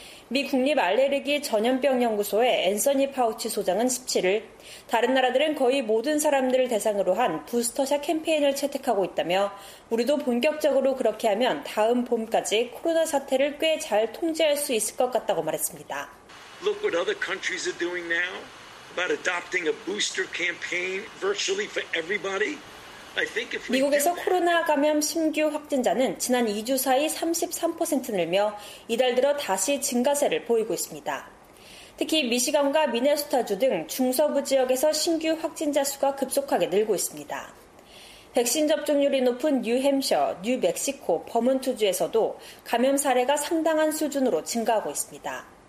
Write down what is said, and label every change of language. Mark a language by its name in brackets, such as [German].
[Korean] 미 국립 알레르기 전염병 연구소의 앤서니 파우치 소장은 17일 다른 나라들은 거의 모든 사람들을 대상으로 한 부스터샷 캠페인을 채택하고 있다며 우리도 본격적으로 그렇게 하면 다음 봄까지 코로나 사태를 꽤 잘 통제할 수 있을 것 같다고 말했습니다. [English] Look what other countries are doing now about adopting a booster campaign virtually for everybody. [Korean] 미국에서 코로나 감염 신규 확진자는 지난 2주 사이 33% 늘며 이달 들어 다시 증가세를 보이고 있습니다. 특히 미시간과 미네소타주 등 중서부 지역에서 신규 확진자 수가 급속하게 늘고 있습니다. 백신 접종률이 높은 뉴햄셔, 뉴멕시코, 버몬트주에서도 감염 사례가 상당한 수준으로 증가하고 있습니다.